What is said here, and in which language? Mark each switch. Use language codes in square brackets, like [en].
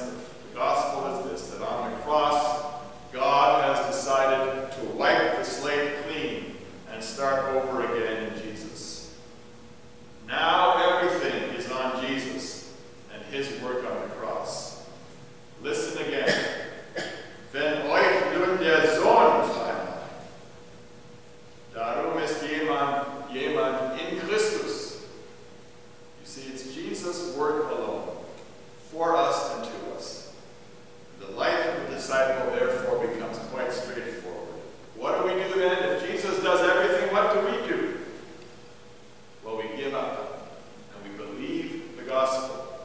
[en] The gospel is this, that on the cross, God has decided to wipe the slate clean and start over again in Jesus. Now everything is on Jesus and his work on the cross. Listen again. [de] Wenn euch nun der Sohn frei macht, darum ist jemand in Christus. [en] You see, it's Jesus' work alone, for us and to us. The life of the disciple, therefore, becomes quite straightforward. What do we do then? If Jesus does everything, what do? Well, we give up, and we believe the gospel.